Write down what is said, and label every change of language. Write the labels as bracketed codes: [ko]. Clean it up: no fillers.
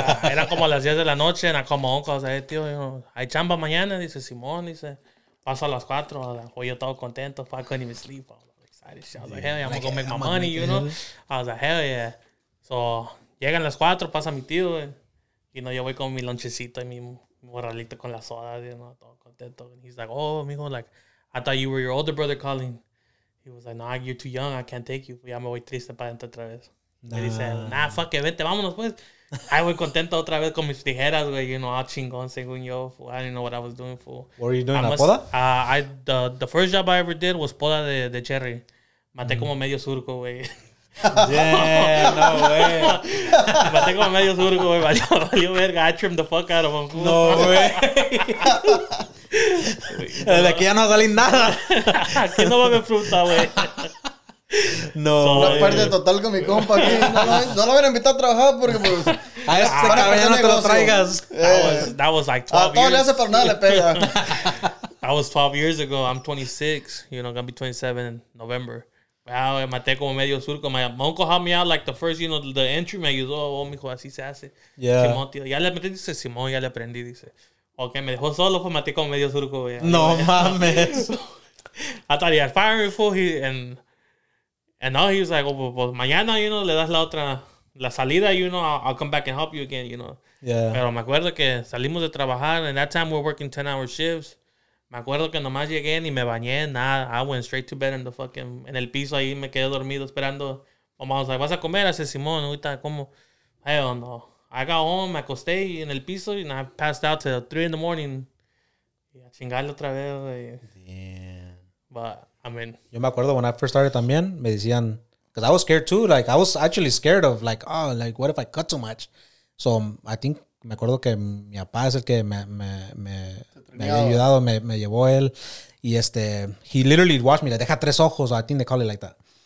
[es] Era como las 10 de la noche, era como un cosa. Tío, hay chamba mañana, dice Simón, dice. Paso a las 4, hoy yo todo contento. [en] I couldn't even sleep. I was excited. I was like, hell yeah, I'm gonna go make my money, you know. I was like, hell yeah. [es] So, llegan las 4, pasa mi tío. Y no, yo voy con mi lonchecito y mi morralito con la soda, [en] you know, [es] todo. [en] And he's like, oh, mijo, like, I thought you were your older brother calling. He was like, no, you're too young. I can't take you. [es] Ya me voy triste para dentro otra vez. [en] Nah. And he said, nah, fuck it, [es] vete, vámonos, pues. [en] I was [es] contento otra vez con mis tijeras, güey. [en] You know, all [es] chingón, según yo. [en] Fool. I didn't know what I was doing, fool. What were you doing, poda? The first job I ever did was poda de cherry. [es] Maté como medio surco, güey. [en] Yeah, no way. [es] Medio surco, güey. Valió verga. [en] I trimmed the fuck out of him. No way. [es] De aquí ya no va a salir nada. Aquí no va a haber fruta, güey. [en] No. So, [es] una parte total con mi compa aquí. No lo hubiera invitado a trabajar porque, pues. A este cabrón ya no te lo traigas. [en] That was like 12 years. [es] Todo le hace para nada, le pega. [en] That was 12 years ago. I'm 26. You know, gonna be 27 in November. [es] Wow, maté como medio surco. [en] My uncle helped me out like the first, you know, the entry. [es] Me ayudó. Oh, mijo, así se hace. [en] Yeah. [es] Simón, tío. Ya le metí, dice Simón, ya le aprendí, dice. Okay, me dejó solo, pues maté como medio surco. Ya, no ya. Mames. [en] I thought he had fired me, fool. And now he was like, oh, [es] pues mañana, [en] you know, [es] le das la otra, la salida, [en] you know, I'll come back and help you again, you know. Yeah. [es] Pero me acuerdo que salimos de trabajar, [en] and that time we're working 10-hour shifts. [es] Me acuerdo que nomás llegué ni me bañé, nada. [en] I went straight to bed in the fucking, [es] en el piso ahí, me quedé dormido esperando. Vamos, like, ¿vas a comer? Hace Simón, ahorita, ¿cómo? [en] I don't know. I got home, [es] me acosté en el piso, [en] and I passed out till 3 in the morning. [es] Y a chingarle otra vez. [en] Damn. But, I mean. [es] Yo me acuerdo, [en] when I first started [es] también, me decían, [en] Because I was scared too. Like, I was actually scared of, like, oh, like, what if I cut too much? So, I think, [es] me acuerdo que mi papá es el que me había ayudado, me llevó él. [en] Y este, he literally watched me, like, [es] deja tres ojos. [en] I think they call it like that.